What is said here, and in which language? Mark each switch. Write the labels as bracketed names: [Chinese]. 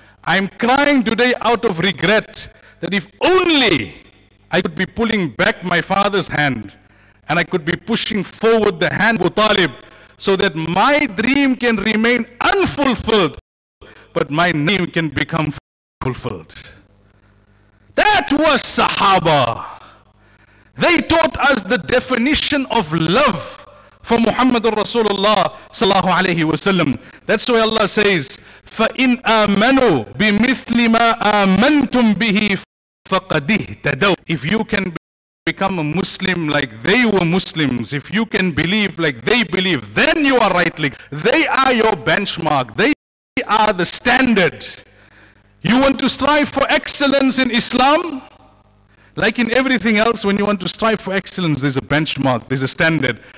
[English] I'm crying today out of regret that if only I could be pulling back my father's hand and I could be pushing forward the hand of Abu Talib, so that my dream can remain unfulfilled, but my name can become fulfilled." That was Sahaba. They taught us the definition of love for Muhammadur Rasulullah sallallahu alayhi wa sallam. That's why Allah says, [Arabic] فَإِنْ آمَنُوا بِمِثْلِ مَا آمَنْتُمْ بِهِ فَقَدِ اهْتَدَوْا. [English] If you can become a Muslim like they were Muslims, if you can believe like they believe, then you are rightly. They are your benchmark. They are the standard. You want to strive for excellence in Islam? Like in everything else, when you want to strive for excellence, there's a benchmark, there's a standard.